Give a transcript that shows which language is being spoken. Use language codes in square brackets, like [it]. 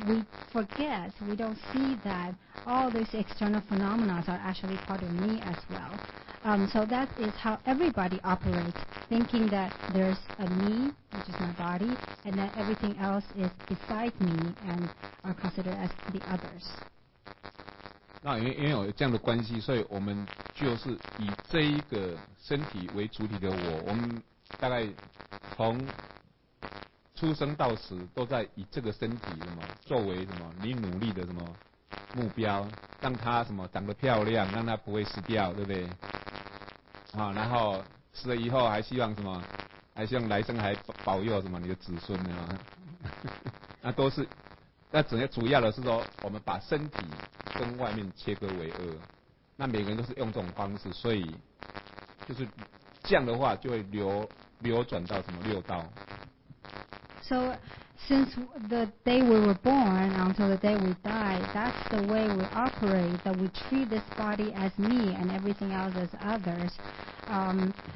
[en] We forget, we don't see that all these external phenomena are actually part of me as well. So that is how everybody operates, thinking that there's a me, which is my body, and that everything else is beside me and are considered as the others. [zh] 那因为有这样的关系，所以我们就是以这一个身体为主体的我，我们大概从出生到死都在以这个身体什么作为什么你努力的什么目标，让它什么长得漂亮，让它不会死掉，对不对？啊，然后死了以后还希望什么？还希望来生还保佑什么你的子孙呢？那都是，那主要的是说，我们把身体跟外面切割为二，那每个人都是用这种方式，所以就是。这样的话就会流转到什么六道。 [en] So since the day we were born until the day we die, that's the way we operate. That we treat this body as me and everything else as others.